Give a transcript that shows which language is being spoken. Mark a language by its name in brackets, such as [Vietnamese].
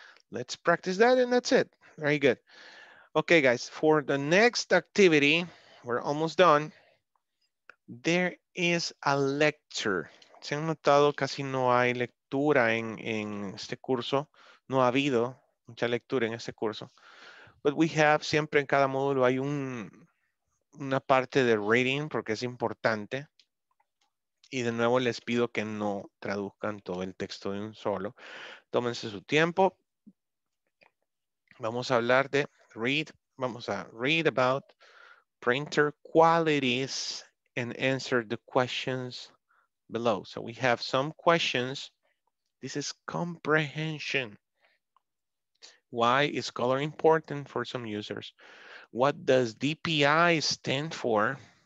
[English] Let's practice that and that's it, very good. Ok guys, for the next activity, we're almost done, there is a lecture. [Spanish] Se han notado casi no hay lectura en este curso, no ha habido mucha lectura en ese curso. [English] But we have, [Spanish] siempre en cada módulo hay una parte de reading porque es importante. Y de nuevo les pido que no traduzcan todo el texto de un solo. Tómense su tiempo. Vamos a hablar de read. Vamos a [English] read about printer qualities and answer the questions below. So we have some questions. This is comprehension. Why is color important for some users? What does DPI stand for?